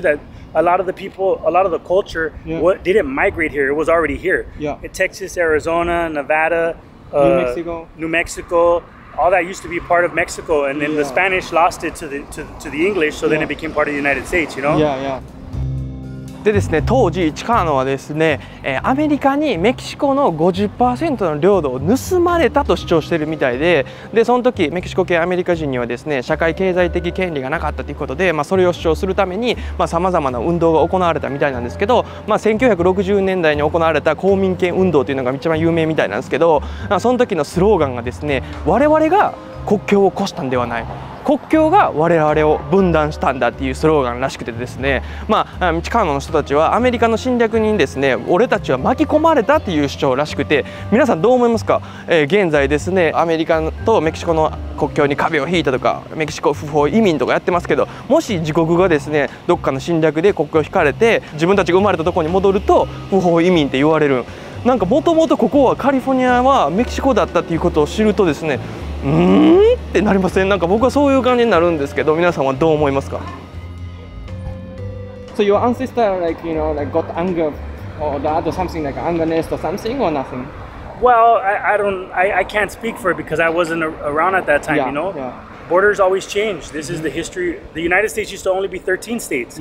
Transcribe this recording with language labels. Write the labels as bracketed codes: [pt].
[en] That a lot of the people, a lot of the culture, yeah. didn't migrate here. It was already here. Yeah. In Texas, Arizona, Nevada, New Mexico, all that used to be part of Mexico, and then yeah. the Spanish lost it to the English. So yeah. then it became part of the United States. You know? Yeah. Yeah. [ja] でですね、当時チカーノはですね、アメリカにメキシコの 50% の領土を盗まれたと主張しているみたい でその時メキシコ系アメリカ人にはですね、社会経済的権利がなかったということで、まあ、それを主張するためにさまざまな運動が行われたみたいなんですけど、まあ、1960年代に行われた公民権運動というのが一番有名みたいなんですけど、まあ、その時のスローガンがですね、我々が国境を越したんではない、国境が我々を分断したんだっていうスローガンらしくてですね、まあチカーノの人たちはアメリカの侵略にですね、俺たちは巻き込まれたっていう主張らしくて、皆さんどう思いますか？現在ですね、アメリカとメキシコの国境に壁を引いたとか、メキシコ不法移民とかやってますけど、もし自国がですね、どっかの侵略で国境を引かれて自分たちが生まれたところに戻ると不法移民って言われる。なんかもともとここはカリフォルニアはメキシコだったっていうことを知るとですね、ってなりません？なんか僕はそういう感じになるんですけど、皆さんはどう思いますか？ [en] So your ancestor like, you know, like got anger or that or something like anger nest or something or nothing? Well, I can't speak for it because I wasn't around at that time, yeah, you know? Yeah. Borders always change. This mm-hmm. is the history. The United States used to only be 13 states.